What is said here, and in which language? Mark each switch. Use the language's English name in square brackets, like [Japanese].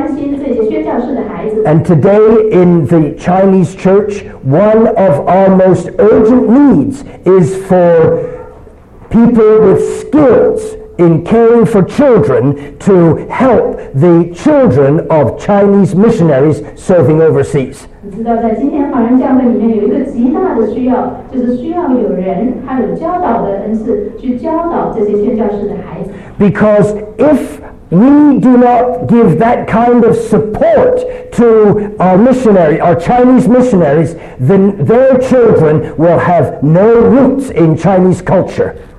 [English] And today in the Chinese church, one of our most urgent needs is for people with skills in caring for children to help the children of Chinese missionaries serving overseas. [Chinese] 知道在今天华人教会里面有一个极大的需要，就是需要有人他有教导的恩赐去教导这些宣教士的孩子。 [English] Because if we do not give that kind of support to our missionary, our Chinese missionaries, then their children will have no roots in Chinese culture.